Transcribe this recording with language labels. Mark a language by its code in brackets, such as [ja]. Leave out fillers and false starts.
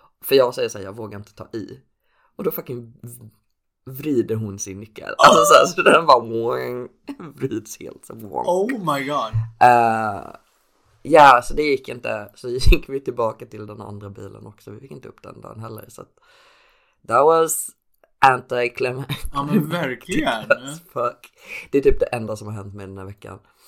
[sv] För jag säger så här, jag vågar inte ta i. Och då fucking vrider hon sin nyckel. Alltså så här, så den bara woing, vrids helt så woing. [en] Oh my god. [sv] Ja, så det gick inte. Så gick vi tillbaka till den andra bilen också. Vi fick inte upp den där heller. [en] Så att, that was anti-climactic. [sv] Ja, men verkligen. Fuck. Det är typ det enda som har hänt mig den här veckan.